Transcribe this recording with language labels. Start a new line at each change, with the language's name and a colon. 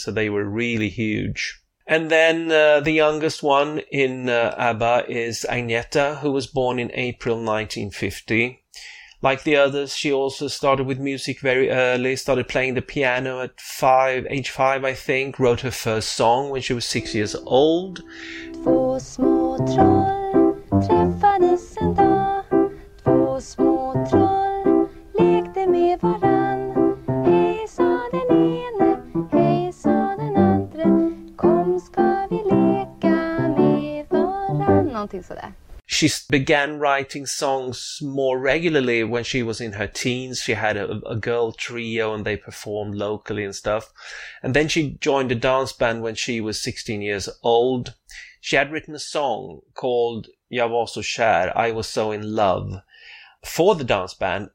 English: So they were really huge. And then the youngest one in ABBA is Agneta, who was born in April 1950. Like the others, she also started with music very early, started playing the piano at age five, I think, wrote her first song when she was 6 years old.
Swedish: Två små troll träffades en dag. Två små troll lekte med varann. Hej sa den ene, hej sa den andre. Kom ska vi leka med varann. Någonting sådär.
English: She began writing songs more regularly when she was in her teens. She had a girl trio and they performed locally and stuff. And then she joined a dance band when she was 16 years old. She had written a song called Jag var så kär, I was so in love, for the dance band.